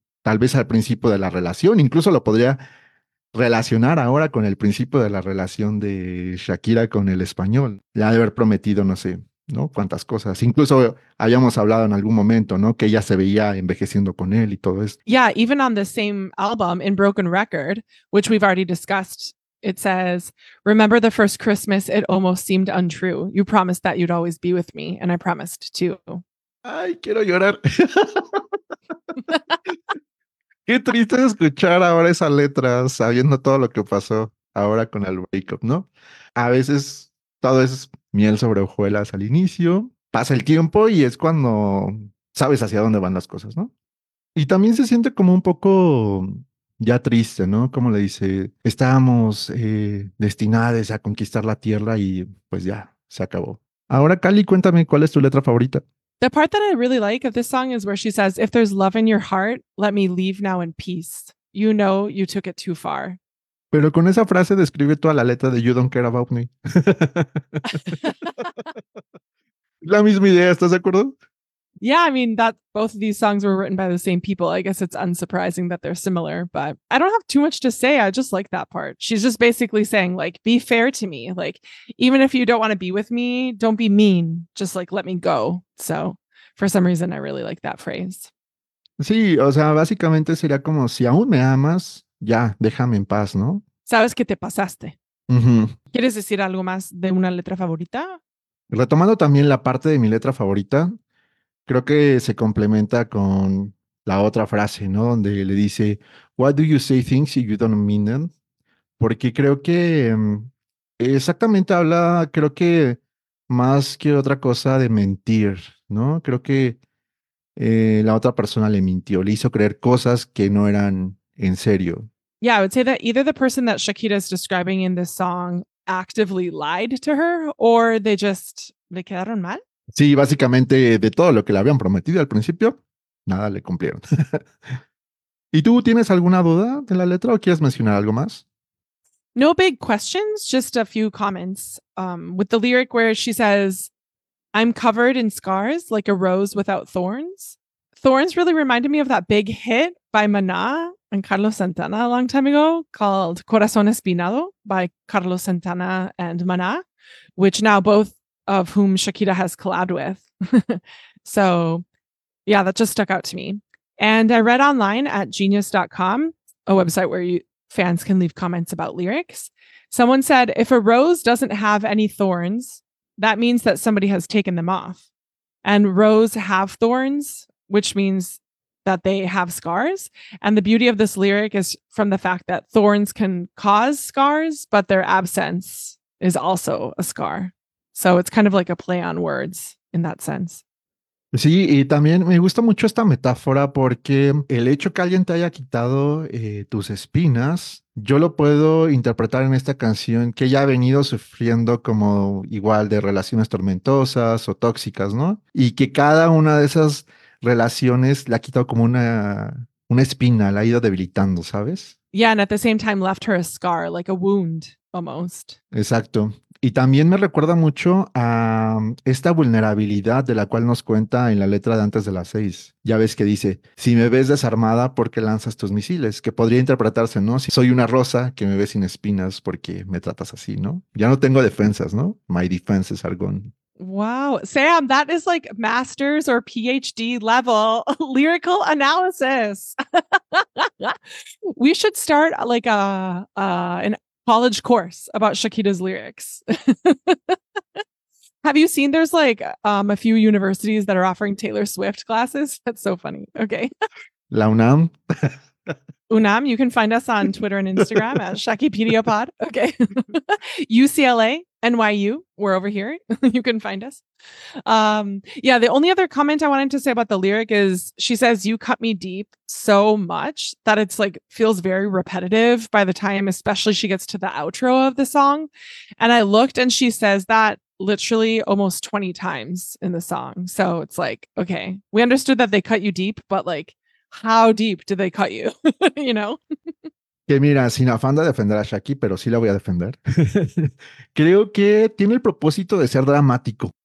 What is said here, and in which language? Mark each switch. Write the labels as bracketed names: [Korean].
[Spanish] Tal vez al principio de la relación, incluso lo podría relacionar ahora con el principio de la relación de Shakira con el español. Le ha de haber prometido, no sé, ¿no? Cuántas cosas. Incluso habíamos hablado en algún momento, ¿no? Que ella se veía envejeciendo con él y todo esto. [English] Yeah, even on the same album, in Broken Record, which we've already discussed, it says, "Remember the first Christmas, it almost seemed untrue. You promised that you'd always be with me, and I promised too." [Spanish] Ay, quiero llorar. Qué triste escuchar ahora esa letra, sabiendo todo lo que pasó ahora con el breakup, ¿no? A veces todo es miel sobre hojuelas al inicio, pasa el tiempo y es cuando sabes hacia dónde van las cosas, ¿no? Y también se siente como un poco ya triste, ¿no? Como le dice, estábamos destinados a conquistar la tierra y pues ya, se acabó. Ahora, Cali, cuéntame, ¿cuál es tu letra favorita? [English] The part that I really like of this song is where she says, "If there's love in your heart, let me leave now in peace. You know you took it too far." [Spanish] Pero con esa frase describe toda la letra de "You don't care about me." La misma idea, ¿estás de acuerdo? [English] Yeah, I mean, that both of these songs were written by the same people. I guess it's unsurprising that they're similar, but I don't have too much to say. I just like that part. She's just basically saying, like, be fair to me. Like, even if you don't want to be with me, don't be mean. Just, like, let me go. So, for some reason, I really like that phrase. [Spanish] Sí, o sea, básicamente sería como, si aún me amas, ya, déjame en paz, ¿no? Sabes que te pasaste. Uh-huh. ¿Quieres decir algo más de una letra favorita? Retomando también la parte de mi letra favorita, creo que se complementa con la otra frase, ¿no? Donde le dice, [English] "Why do you say things if you don't mean them?" [Spanish] Porque creo que exactamente habla, creo que más que otra cosa de mentir, ¿no? Creo que la otra persona le mintió, le hizo creer cosas que no eran en serio. [English] Yeah, I would say that either the person that Shakira is describing in this song actively lied to her, or they just [Spanish] le quedaron mal. Sí, básicamente de todo lo que le habían prometido al principio, nada le cumplieron. ¿Y tú tienes alguna duda de la letra o quieres mencionar algo más? [English] No big questions, just a few comments. With the lyric where she says, "I'm covered in scars like a rose without thorns." Thorns really reminded me of that big hit by Maná and Carlos Santana a long time ago called Corazón Espinado by Carlos Santana and Maná, which now both of whom Shakira has collabed with. So, yeah, that just stuck out to me. And I read online at genius.com, a website where fans can leave comments about lyrics. Someone said, "If a rose doesn't have any thorns, that means that somebody has taken them off. And rose have thorns, which means that they have scars. And the beauty of this lyric is from the fact that thorns can cause scars, but their absence is also a scar." So it's kind of like a play on words in that sense. [Spanish] Sí, y también me gusta mucho esta metáfora porque el hecho que alguien te haya quitado tus espinas, yo lo puedo interpretar en esta canción que ella ha venido sufriendo como igual de relaciones tormentosas o tóxicas, ¿no? Y que cada una de esas relaciones le ha quitado como una espina, la ha ido debilitando, ¿sabes? [English] Yeah, and at the same time left her a scar, like a wound. Almost. [Spanish] Exacto. Y también me recuerda mucho a esta vulnerabilidad de la cual nos cuenta en la letra de antes de las seis. Ya ves que dice, si me ves desarmada, ¿por qué lanzas tus misiles? Que podría interpretarse, ¿no? Si soy una rosa que me ves sin espinas, ¿por qué me tratas así, no? Ya no tengo defensas, ¿no? [English] My defenses are gone. Wow. Sam, that is like master's or PhD level lyrical analysis. We should start like an college course about Shakira's lyrics. Have you seen there's like a few universities that are offering Taylor Swift classes? That's so funny. Okay. [Spanish] La UNAM. [English] UNAM, you can find us on Twitter and Instagram at ShakipediaPod. Okay. UCLA. NYU, we're over here. You can find us. The only other comment I wanted to say about the lyric is she says, you cut me deep so much that it's like feels very repetitive by the time, especially she gets to the outro of the song. And I looked and she says that literally almost 20 times in the song. So it's like, okay, we understood that they cut you deep, but like, how deep did they cut you? You know? [Spanish] Que mira, sin afán de defender a Shaki, pero sí la voy a defender. Creo que tiene el propósito de ser dramático.